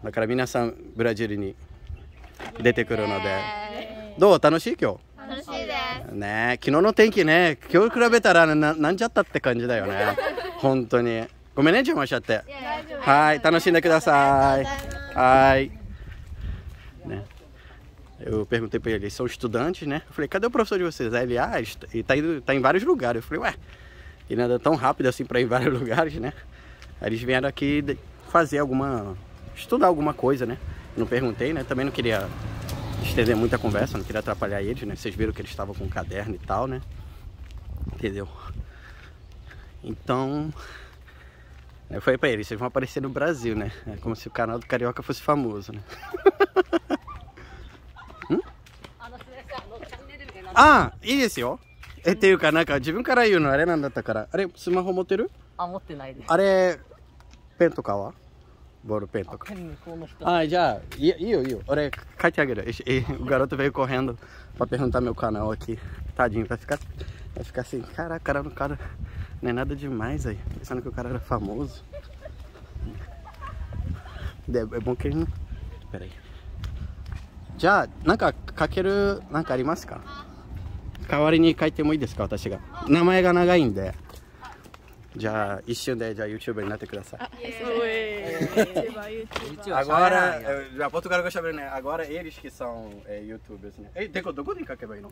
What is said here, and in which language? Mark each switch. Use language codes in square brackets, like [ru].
[ja] だから皆さん、ブラジルに出てくるので。どう？楽しい？今日。楽しいです。ねえ、昨日の天気ね、今日比べたらなんじゃったって感じだよね。本当に。ごめんね、邪魔しちゃって。はい、楽しんでください。はい。ね。 [pt] Eu perguntei para ele, são estudantes, né? Eu falei, cadê o professor de vocês? Aí ele, ah, ele tá em vários lugares. Eu falei, ué, ele anda tão rápido assim para ir em vários lugares, né? Eles vieram aqui fazer estudar alguma coisa, né? Não perguntei, né? Também não queria estender muita conversa, não queria atrapalhar eles, né? Vocês viram que eles estavam com um caderno e tal, né? Entendeu? Então, eu falei pra eles, vocês vão aparecer no Brasil, né? É como se o canal do Carioca fosse famoso, né? Ah, isso, ó. Eu tenho o canal, eu tive um cara aí, não era nada, cara. Olha, você me arrumou, Ah, não tem nada. [ja] ペンとかは？ボールペンとか。あ、じゃあ、いいよいいよ。俺、書いてあげる。 [pt] お garoto veio correndo pra perguntar meu canal aqui. Tadinho, vai ficar assim. Caraca, cara, no cara. Não é nada demais aí. Pensando que o cara era famoso. É bom que ele não. Pera aí. [ja] じゃあ、なんか書けるなんかありますか？代わりに書いてもいいですか？私が名前が長いんで、じゃあ一瞬でじゃあ YouTuber になってください。 [pt] Agora, já Portugal vai saber, né? Agora eles que são youtubers, né? Ei, Deco, do onde que vai, não?